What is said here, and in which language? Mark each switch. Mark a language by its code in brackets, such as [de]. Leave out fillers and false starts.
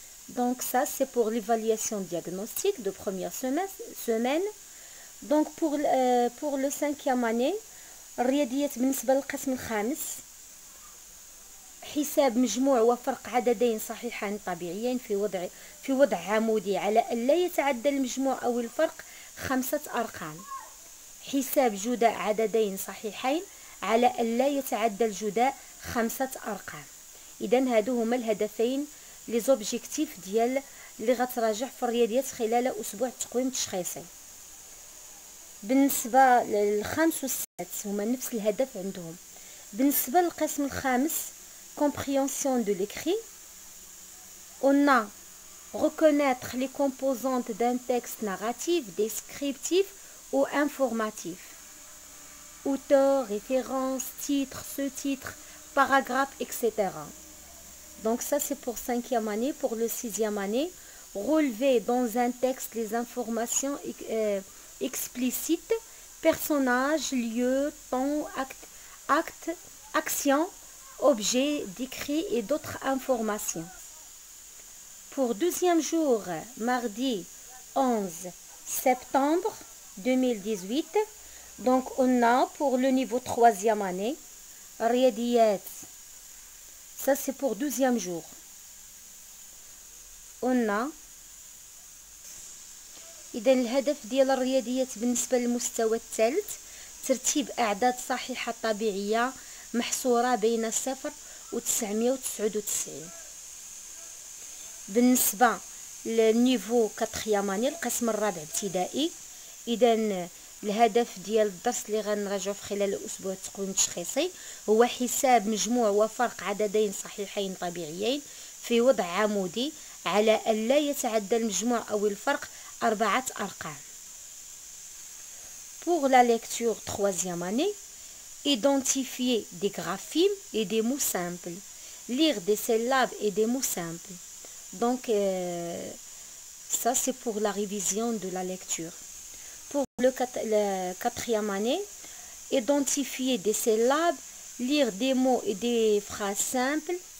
[fr] Donc ça c'est pour l'évaluation diagnostique de première semaine. Donc pour le 5e année, [ar] Riyadiyat بالنسبة للقسم الخامس، حساب مجموع وفرق عددين صحيحين طبيعيين في وضع عمودي على ألا يتعدى المجموع أو الفرق 5 أرقام، حساب جداء عددين صحيحين على ألا يتعدى الجداء 5 أرقام. إذن هادو هما الهدفين لي زوبجيكتيف ديال اللي غتراجع في الرياضيات خلال أسبوع تقويم تشخيصي. بالنسبة للخامس والسادس هما نفس الهدف عندهم. بالنسبة للقسم الخامس [fr] compréhension de l'écrit, on a reconnaître les composantes d'un texte narratif, descriptif ou informatif. Auteur, référence, titre, sous-titre, paragraphe, etc. Donc ça c'est pour 5e année. Pour le 6e année, relever dans un texte les informations explicites, personnage, lieu, temps, acte, action, objet, décrit et d'autres informations. Pour deuxième jour, mardi 11 septembre 2018, donc on a pour le niveau 3e année, Riyadiyat. Ça c'est pour deuxième jour. On a [ar] إذن الهدف ديال الرياضيات بالنسبة للمستوى الثالث ترتيب أعداد صحيحة طبيعية محصورة بين 0 و 999. بالنسبة للنيفو 4e année القسم الرابع ابتدائي، إذن الهدف ديال الدرس اللي غنراجعو في خلال الأسبوع التقويم التشخيصي هو حساب مجموع وفرق عددين صحيحين طبيعيين في وضع عمودي على أن لا يتعدى المجموع أو الفرق 4 أرقام. [fr] Pour la lecture 3e année, identifier des graphèmes et des mots simples. Lire des syllabes et des mots simples. Donc, ça c'est pour la révision de la lecture. Pour la 4e année, identifier des syllabes, lire des mots et des phrases simples.